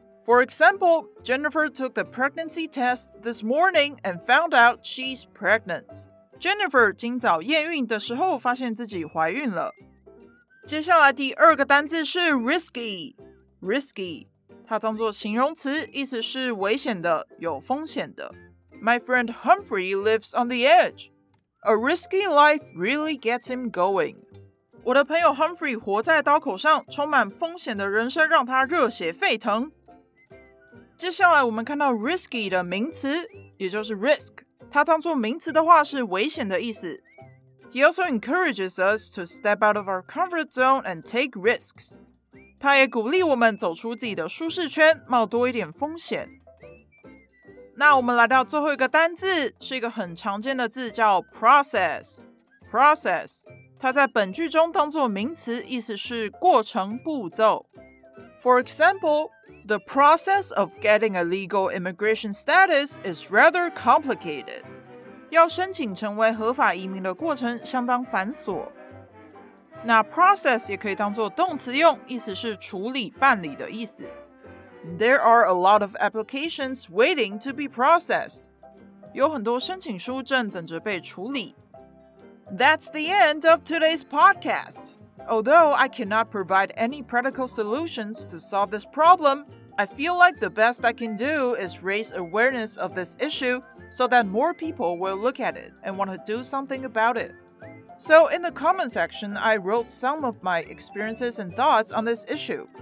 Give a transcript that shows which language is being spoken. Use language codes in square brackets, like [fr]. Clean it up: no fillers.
[en] For example, Jennifer took the pregnancy test this morning and found out she's pregnant. [zh] Jennifer 今早验孕的时候发现自己怀孕了。接下来第二个单字是 risky， 它当作形容词，意思是危险的，有风险的。 [en] My friend Humphrey lives on the edge. A risky life really gets him going. [zh] 我的朋友 Humphrey 活在刀口上，充满风险的人生让他热血沸腾。接下来我们看到 risky 的名词，也就是 risk， 它当作名词的话是危险的意思。 [en] He also encourages us to step out of our comfort zone and take risks。 [zh] 他也鼓励我们走出自己的舒适圈，冒多一点风险。那我们来到最后一个单字，是一个很常见的字，叫 process。process。它在本句中当作名词，意思是过程步骤。 [en] For example, the process of getting a legal immigration status is rather complicated. [zh] 要申请成为合法移民的过程相当繁琐。那 process 也可以当作动词用，意思是处理、办理的意思。 [en] There are a lot of applications waiting to be processed. [zh] 有很多申请书正等着被处理。 [en] That's the end of today's podcast. Although I cannot provide any practical solutions to solve this problem, I feel like the best I can do is raise awareness of this issue so that more people will look at it and want to do something about it. So in the comment section, I wrote some of my experiences and thoughts on this issue.